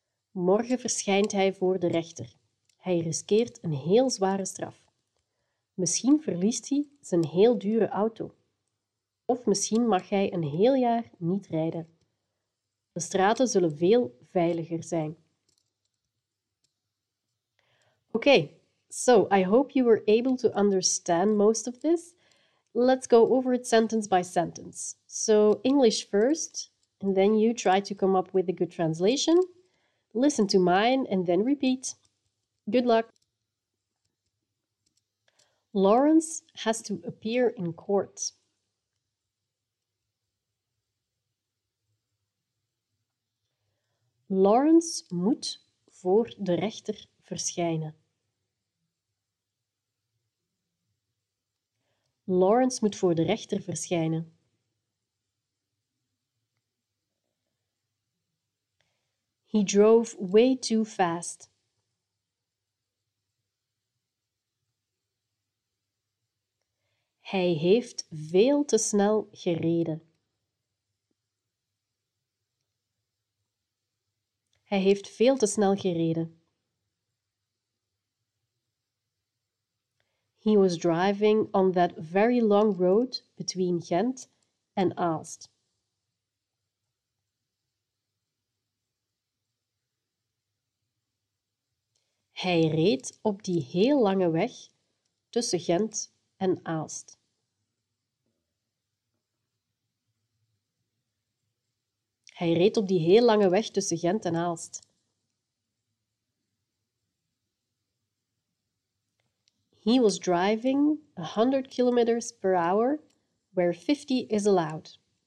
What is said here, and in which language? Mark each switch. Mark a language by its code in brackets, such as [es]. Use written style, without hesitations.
[nl] Morgen verschijnt hij voor de rechter. Hij riskeert een heel zware straf. Misschien verliest hij zijn heel dure auto. Of misschien mag hij een heel jaar niet rijden. De straten zullen veel veiliger zijn. Oké, [en] So I hope you were able to understand most of this. Let's go over it sentence by sentence. So English first, and then you try to come up with a good translation. Listen to mine and then repeat. Good luck. Lawrence has to appear in court. [nl] Lawrence moet voor de rechter verschijnen. Lawrence moet voor de rechter verschijnen. [en] He drove way too fast. [nl] Hij heeft veel te snel gereden. Hij heeft veel te snel gereden. [en] He was driving on that very long road between Ghent and Aalst. [nl] Hij reed op die heel lange weg tussen Ghent en Aalst. Hij reed op die heel lange weg tussen Ghent en Aalst. [en] He was driving 100 kilometers per hour, where 50 is allowed.